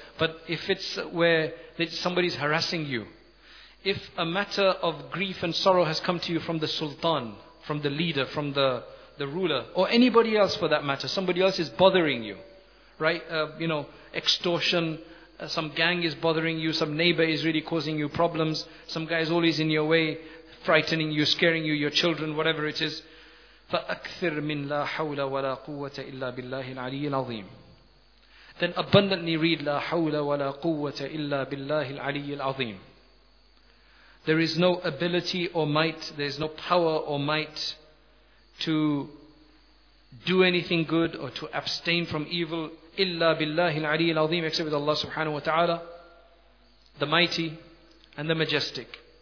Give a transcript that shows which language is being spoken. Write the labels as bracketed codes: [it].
[en] But if it's where somebody's harassing you, if a matter of grief and sorrow has come to you from the sultan, from the leader, from the ruler, or anybody else for that matter, somebody else is bothering you, right? You know, extortion, some gang is bothering you, some neighbor is really causing you problems, some guy is always in your way, frightening you, scaring you, your children, whatever it is. [ar] فَأَكْثِرْ مِنْ لَا حَوْلَ وَلَا قُوَّةَ إِلَّا بِاللَّهِ الْعَلِيِّ الْعَظِيمِ. [en] Then abundantly read, [ar] لَا حَوْلَ وَلَا قُوَّةَ إِلَّا بِاللَّهِ الْعَلِيِّ الْعَظِيمِ. [en] There is no ability or might, there is no power or might to do anything good or to abstain from evil. [ar] إِلَّا بِاللَّهِ الْعَلِيِّ الْعَظِيمِ. [en] Except with Allah subhanahu wa ta'ala, the mighty and the majestic.